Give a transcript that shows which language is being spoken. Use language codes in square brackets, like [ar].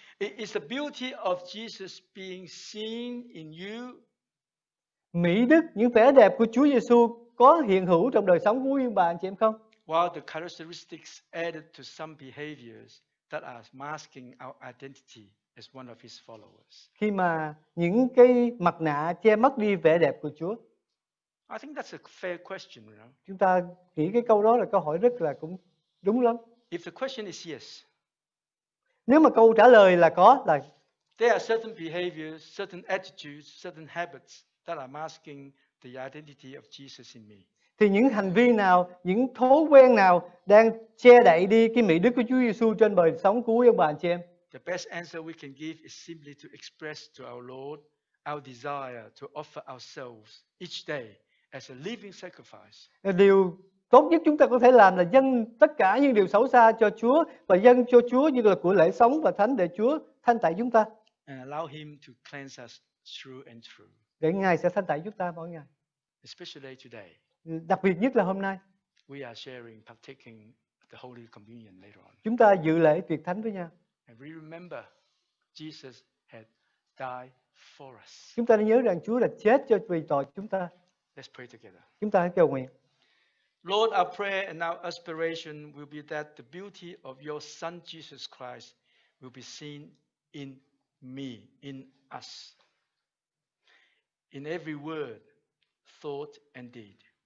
[en] It's the beauty of Jesus being seen in you. [vi] Mỹ đức, những vẻ đẹp của Chúa Giê-xu có hiện hữu trong đời sống của quý ông bà anh chị em không? [en] While the characteristics added to some behaviors that are masking our identity as one of His followers. [vi] Khi mà những cái mặt nạ che mất đi vẻ đẹp của Chúa. [en] I think that's a fair question, you know? [vi] Chúng ta nghĩ cái câu đó là câu hỏi rất là cũng đúng lắm. [en] If the question is yes. [vi] Nếu mà câu trả lời là có, là [en] there are certain behaviors, certain attitudes, certain habits that are masking the identity of Jesus in me. [vi] Thì những hành vi nào, những thói quen nào đang che đậy đi cái mỹ đức của Chúa Giêsu trên đời sống của quý ông bà anh chị em? [en] The best answer we can give is simply to express to our Lord our desire to offer ourselves each day as a living sacrifice. [vi] Điều tốt nhất chúng ta có thể làm là dâng tất cả những điều xấu xa cho Chúa và dâng cho Chúa như là của lễ sống và thánh để Chúa thanh tẩy chúng ta. [en] And allow Him to cleanse us through and through. [vi] Để Ngài sẽ thanh tẩy chúng ta mỗi ngày. [en] Especially today. [vi] Đặc biệt nhất là hôm nay. [en] We are sharing, partaking the Holy Communion later on. [vi] Chúng ta dự lễ tiệc thánh với nhau. [en] And we remember Jesus had died for us. [vi] Chúng ta nhớ rằng Chúa đã chết cho vì tội chúng ta. [en] Let's pray together. [vi] Chúng ta hãy cầu nguyện. [en] Lord, our prayer and our aspiration will be that the beauty of your Son Jesus Christ will be seen in me, in us. In every word, thought and deed.